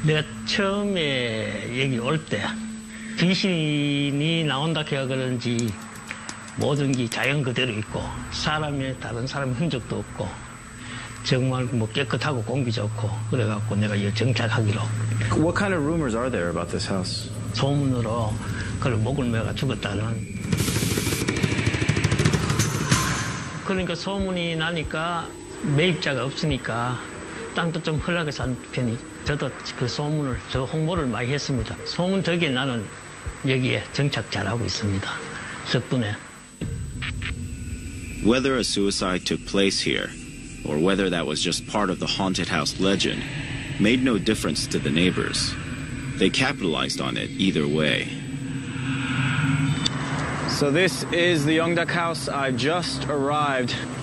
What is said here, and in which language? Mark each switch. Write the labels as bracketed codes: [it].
[ko] 내가 처음에 여기 올 때 귀신이 나온다 해야 그런지 모든 게 자연 그대로 있고 사람의 다른 사람의 흔적도 없고 정말 뭐 깨끗하고 공기 좋고 그래갖고 내가 여기 정착하기로. [en] What kind of rumors are there about this house? [ko] 소문으로 그걸 목을 매가 죽었다는. 그러니까 소문이 나니까 매입자가 없으니까 땅도 좀 흘러가 산 편이. 저도 그 소문을 저 홍보를 많이 했습니다. 소문 덕에 나는 여기에 정착 잘하고 있습니다. 덕분에. [en] Whether a suicide took place here, or whether that was just part of the haunted house legend, made no difference to the neighbors. They capitalized on it either way. So this is the Yongduk House. I just arrived.